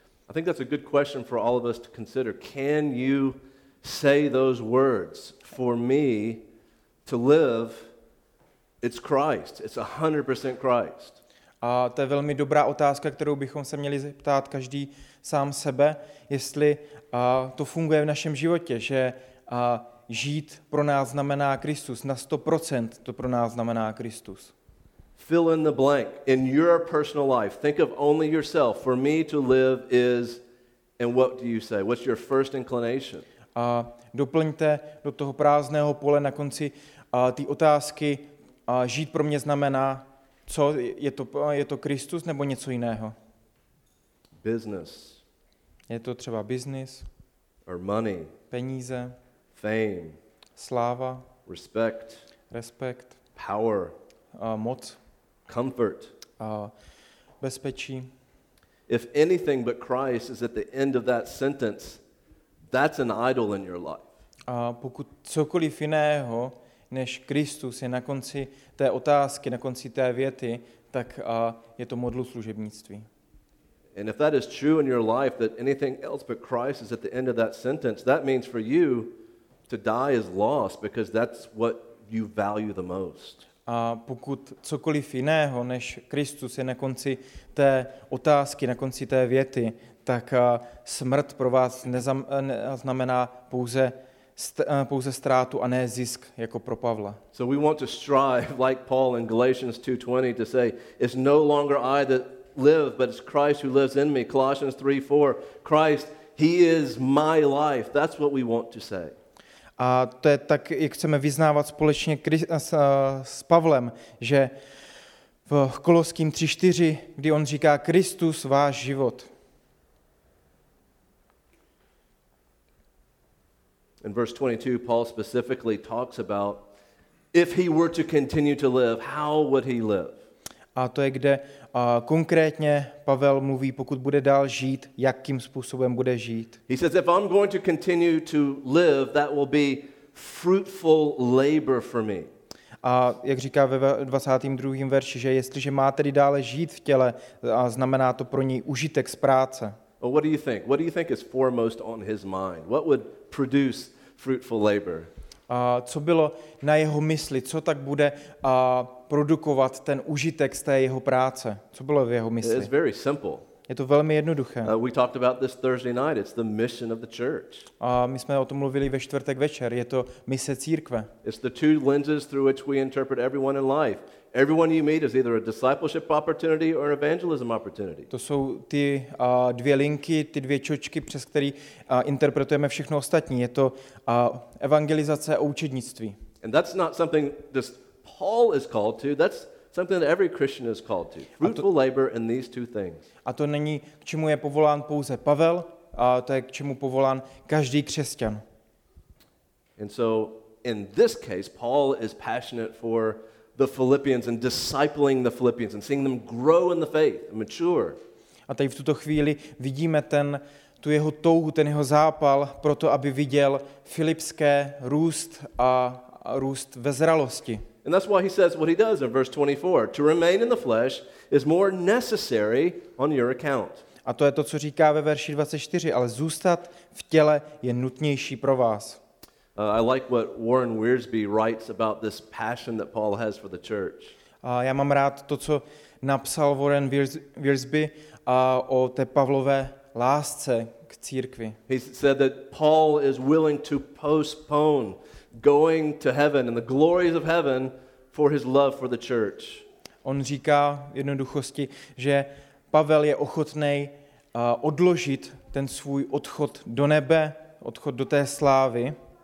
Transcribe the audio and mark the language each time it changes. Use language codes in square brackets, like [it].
[en] I think that's a good question for all of us to consider. Can you say those words for me to live? It's Christ. It's 100% Christ. [cs] A to je velmi dobrá otázka, kterou bychom se měli zeptat každý sám sebe, jestli to funguje v našem životě, že žít pro nás znamená Kristus. Na 100% to pro nás znamená Kristus. [en] Fill in the blank in your personal life. Think of only yourself. For me to live is, and what do you say? What's your first inclination? [cs] A doplňte do toho prázdného pole na konci ty otázky. Žít pro mě znamená, co je to? Je to Kristus nebo něco jiného? [en] Business. [cs] Je to třeba business? [en] Or money. [cs] Peníze. [en] Fame. [cs] Sláva. [en] Respect. [cs] Respekt. [en] Power. [cs] Moc. [en] Comfort. [cs] Bezpečí. [en] If anything but Christ is at the end of that sentence, that's an idol in your life. [cs] Pokud cokoliv jiného než Kristus je na konci té otázky, na konci té věty, tak je to modlu služebnictví. [en] And if that is true in your life, that anything else but Christ is at the end of that sentence, that means for you to die is lost, because that's what you value the most. [cs] A pokud cokoliv jiného než Kristus je na konci té otázky, na konci té věty, tak smrt pro vás neznamená pouze ztrátu a ne zisk jako pro Pavla. [en] So we want to strive like Paul in Galatians 2:20 to say, it's no longer I that live, but it's Christ who lives in me. Colossians 3:4, Christ, he is my life. That's what we want to say. [cs] A to je tak, jak chceme vyznávat společně s Pavlem, že v Koloským 3:4, kdy on říká Kristus váš život. [en] In verse 22 Paul specifically talks about if he were to continue to live, how would he live? [cs] A to je, kde konkrétně Pavel mluví, pokud bude dál žít, jakým způsobem bude žít. [en] He says, if I'm going to continue to live, that will be fruitful labor for me. [cs] A jak říká ve 22. verši, že jestliže má tedy dále žít v těle, znamená to pro něj užitek z práce. [en] Well, what do you think? What do you think is foremost on his mind? What would produce fruitful labor? [cs] A co bylo na jeho mysli, co tak bude produkovat ten užitek z té jeho práce? Co bylo v jeho mysli? [en] It's very simple. [cs] Je to velmi jednoduché. [en] We talked about this Thursday night. It's the mission of the church. [cs] A my jsme o tom mluvili ve čtvrtek večer. Je to mise církve. [en] It's the two lenses through which we interpret everyone in life. Everyone you meet is either a discipleship opportunity or an evangelism opportunity. [cs] To jsou ty dvě linky, ty dvě čočky, přes které interpretujeme všechno ostatní. Je to evangelizace a učednictví. [en] And that's not something just Paul is called to. That's Something that every Christian is called to. Fruitful labor in these two things. [cs] A to není, k čemu je povolán pouze Pavel, a to je k čemu povolán každý křesťan. [en] And so in this case Paul is passionate for the Philippians and discipling the Philippians and seeing them grow in the faith, mature. [cs] A tady v tuto chvíli vidíme tu jeho touhu, ten jeho zápal pro to, aby viděl Filipské růst a růst ve zralosti. [en] And that's why he says what he does in verse 24, to remain in the flesh is more necessary on your account. [cs] A to je to, co říká ve verši 24, ale zůstat v těle je nutnější pro vás. [en] I like what Warren Wiersbe writes about this passion that Paul has for the church. [cs] A já mám rád to, co napsal Warren Wiersbe o té Pavlové lásce k církvi. [en] He said that Paul is willing to postpone going to heaven and the glories of heaven for his love for the church. [cs] On říká v jednoduchosti, že Pavel je ochotný odložit ten svůj odchod do nebe, odchod do té slávy.